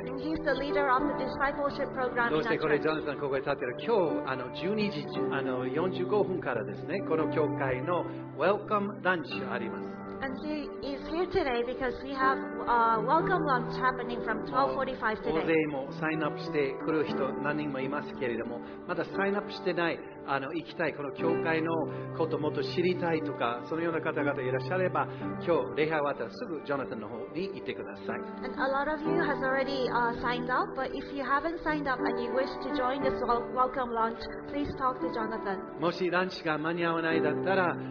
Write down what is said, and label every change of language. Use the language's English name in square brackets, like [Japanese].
[English] And he's the leader of the discipleship program. [Japanese] どうしてこれジョナサンここに立ってる？今日あの12時あの45分からですね。この教会のWelcome lunch あります。 [English] And he is here today because we have a welcome lunch happening from 12:45 today. [Japanese] 大勢もサインアップしてくる人何人もいますけれども、まだサインアップしてないあの行きたいこの教会のこともっと知りたいとかそのような方々いらっしゃれば、今日礼拝終わったらすぐジョナサンの方に行ってください。 [English] And a lot of you has already signed up, but if you haven't signed up and you wish to join this welcome lunch, please talk to Jonathan. [Japanese] もしランチが間に合わないだったら。